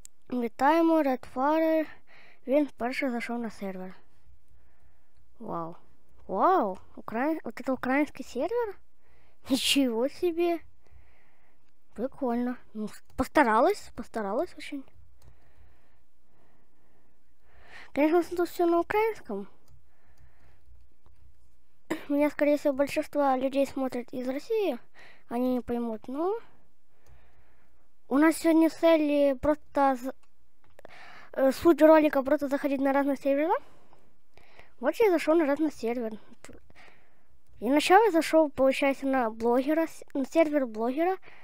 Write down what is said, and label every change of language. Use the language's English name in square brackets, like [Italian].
[Ukrainian] Вітаємо, Redfire. Він вперше зайшов на сервер. Вау. Вау, от це український сервер? Нічого собі. Прикольно. [Russian] Ну, постаралась очень. [Ukrainian] Звісно, тут все на українському. [Russian] У меня, скорее всего, большинство людей смотрят из России. Они не поймут, но... У нас сегодня цель просто... Суть ролика просто заходить на разные сервера. Вот я зашел на разный сервер. И сначала я зашел, получается, на блогера, на сервер блогера.